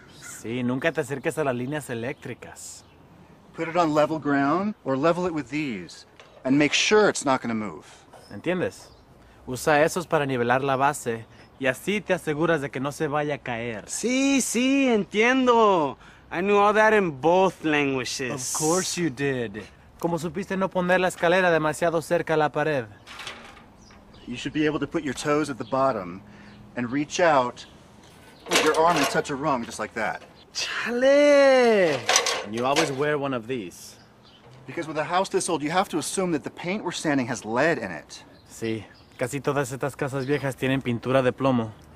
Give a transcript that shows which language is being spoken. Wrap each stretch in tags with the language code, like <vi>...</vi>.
<es>Sí, nunca te acerques a las líneas eléctricas.</es> <en>Put it on level ground or level it with these. And make sure it's not going to move.</en> <es>¿Entiendes? Usa esos para nivelar la base y así te aseguras de que no se vaya a caer. Sí, sí, entiendo.</es> <en>I knew all that in both languages. Of course you did.</en> <es>¿Cómo supiste no poner la escalera demasiado cerca a la pared?</es> <en>You should be able to put your toes at the bottom and reach out with your arm and touch a rung just like that.</en> <es>Chale!</es> <en>And you always wear one of these. Because with a house this old, you have to assume that the paint we're sanding has lead in it.</en> <es>Sí. Casi todas estas casas viejas tienen pintura de plomo.</es>